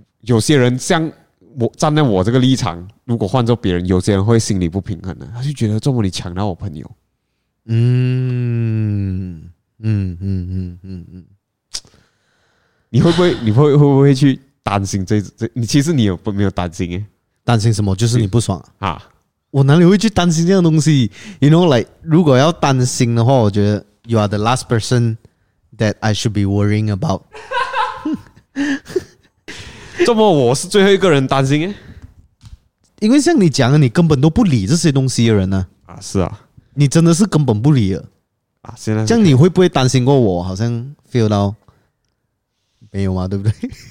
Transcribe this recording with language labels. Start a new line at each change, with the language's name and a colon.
Chinese: 有些人像我站在我这个立场，如果换做别人，有些人会心里不平衡的，他就觉得这么你抢到我朋友。你会不会你会不会去担心这你其实你有没有担心耶？担心什么？就是你不爽啊。我哪里会去担心这样东西
English: ？You know, like
Chinese: 如果要担心的话，我觉得
English: you are the last person that I should be worrying about 。
Chinese: 这么我是最后一个人担心耶？因为像你讲的，你根本都不理这些东西的人呢、啊。啊，是啊，你真的是根本不理了啊！现在这样，你会不会担心过我？好像 feel 到没有吗？对不对？